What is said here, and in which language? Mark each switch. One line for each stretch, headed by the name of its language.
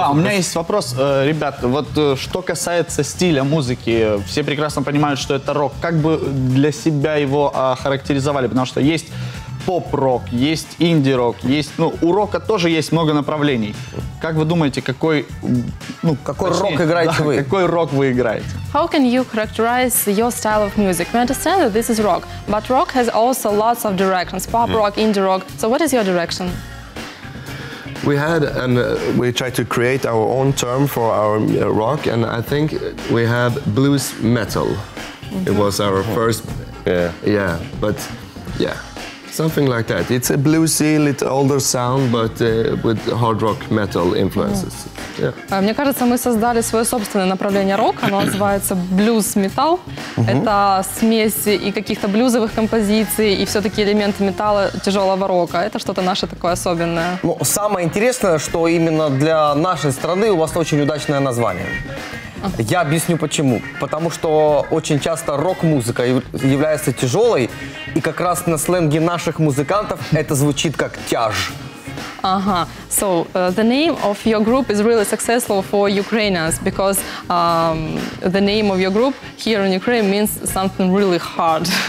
Russian: Да, у меня есть вопрос, ребят, вот что касается стиля музыки, все прекрасно понимают, что это рок. Как бы для себя его охарактеризовали, потому что есть... поп-рок, есть инди-рок, есть, ну, у рока тоже есть много направлений. Как вы думаете, какой, ну, какой рок играете вы? Какой рок вы играете?
English: How can you characterize your style of music? We understand that this is rock, but rock has also lots of directions. Pop-rock, indie-rock. So what is your direction? We had and we tried to create our own term for our rock, and I think we have blues metal. Mm-hmm. It was our first, yeah, but yeah. Something like that. It's a bluesy, little older sound, but with hard rock metal influences. Yeah.
Russian: Мне кажется, мы создали свое собственное направление рок. Оно называется blues metal. Это смесь и каких-то блюзовых композиций, и все-таки элементы металла тяжелого рока. Это что-то наше такое особенное. Ну, самое интересное, что именно для нашей страны у вас очень удачное название. Я объясню почему. Потому что очень часто рок-музыка является тяжелой, и как раз на сленге наших музыкантов это звучит как тяж. Ага.
English: So the name of your group is really successful for Ukrainians because the name of your group here in Ukraine means something really hard.